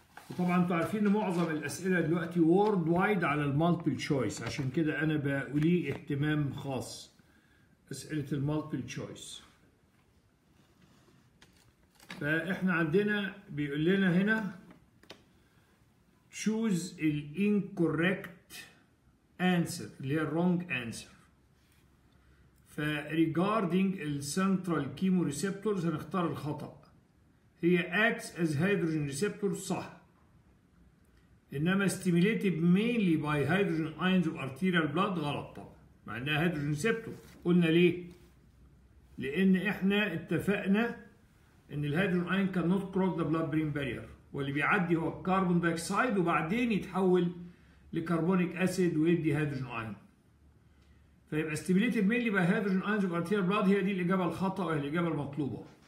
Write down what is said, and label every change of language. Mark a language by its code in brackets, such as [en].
[ar] وطبعا انتوا عارفين ان معظم الاسئلة دلوقتي وورد وايد على المالتبل تشويس، عشان كده انا بقولي اهتمام خاص اسئلة المالتبل تشويس. فاحنا عندنا بيقول لنا هنا [en] choose the incorrect answer [ar] اللي هي [en] wrong answer. Regarding the central chemoreceptors [ar] هنختار الخطأ، هي [en] acts as hydrogen receptor [ar] صح، إنما [en] stimulated mainly by hydrogen ions of arterial blood [ar] غلط طبعا، مع إنها [en] hydrogen receptor. [ar] قلنا ليه؟ لأن إحنا اتفقنا إن الهيدروجين [en] ion cannot cross the blood brain barrier، [ar] واللي بيعدي هو carbon dioxide وبعدين يتحول لكربونيك acid ويدي hydrogen ion. فيبقى [en] stimulated mainly by hydrogen ions of arterial blood, [ar] هي دي الاجابه الخطا وهي الاجابه المطلوبه.